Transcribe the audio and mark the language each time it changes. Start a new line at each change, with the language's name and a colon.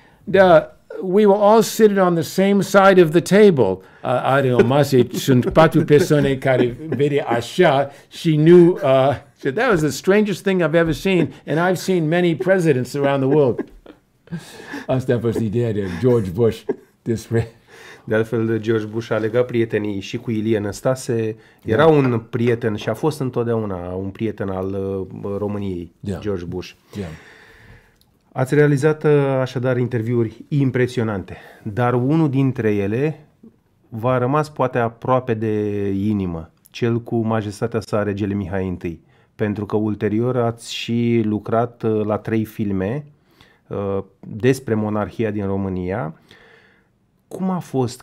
English: Da, we were all sitting on the same side of the table.
Romanian: Are o masă, sunt patru persoane care vede așa.
English: Și nu, said, that was the strangest thing I've ever seen. And I've seen many presidents around the world.
Romanian: Asta a fost ideea de George Bush despre... De altfel, George Bush a legat prietenii și cu Ilie Năstase. Era un prieten și a fost întotdeauna un prieten al României, George Bush. Ați realizat așadar interviuri impresionante, dar unul dintre ele v-a rămas poate aproape de inimă, cel cu majestatea sa, regele Mihai I, pentru că ulterior ați și lucrat la 3 filme despre monarhia din România. Cum a fost?